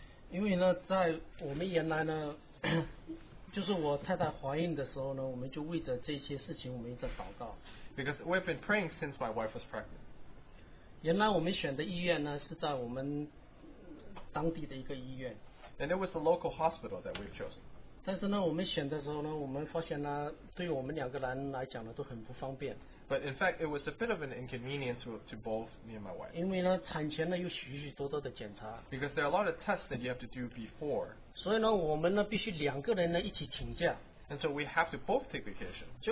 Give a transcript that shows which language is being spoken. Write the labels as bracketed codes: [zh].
[zh] 因为呢，在我们原来呢，就是我太太怀孕的时候呢，我们就为着这些事情，我们一直祷告。 [en] Because we've been praying since my wife was pregnant. [zh] 原来我们选的医院呢，是在我们当地的一个医院。 [en] And it was a local hospital that we've chosen. [zh] 但是呢，我们选的时候呢，我们发现呢，对我们两个人来讲呢，都很不方便。 [en] But in fact, it was a bit of an inconvenience to both me and my wife. [zh] 因为呢,产前呢,有许许多多的检查, [en] because there are a lot of tests that you have to do before. [zh] 所以呢,我们呢,必须两个人呢,一起请假, [en] and so we have to both take vacation.